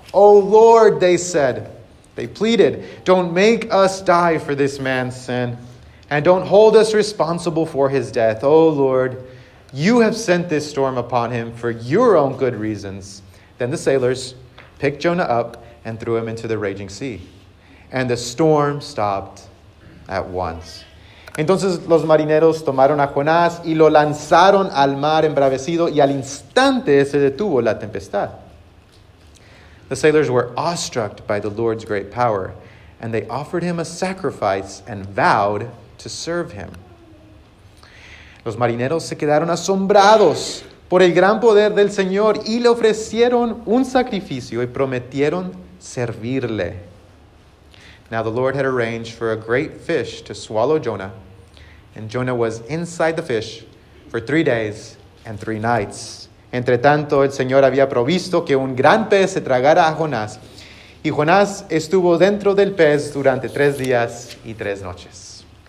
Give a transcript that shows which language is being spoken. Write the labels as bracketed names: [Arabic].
[English] Oh, Lord, they said, they pleaded, don't make us die for this man's sin, and don't hold us responsible for his death. Oh, Lord, you have sent this storm upon him for your own good reasons. Then the sailors picked Jonah up and threw him into the raging sea. And the storm stopped at once. [Spanish] Entonces los marineros tomaron a Jonás y lo lanzaron al mar embravecido, y al instante se detuvo la tempestad. [English] The sailors were awestruck by the Lord's great power, and they offered him a sacrifice and vowed to serve him. [Spanish] Los marineros se quedaron asombrados por el gran poder del Señor y le ofrecieron un sacrificio y prometieron servirle. [English] Now the Lord had arranged for a great fish to swallow Jonah, and Jonah was inside the fish for 3 days and 3 nights. [Spanish] Entre tanto, el Señor había provisto que un gran pez se tragara a Jonás, y Jonás estuvo dentro del pez durante 3 días y 3 noches.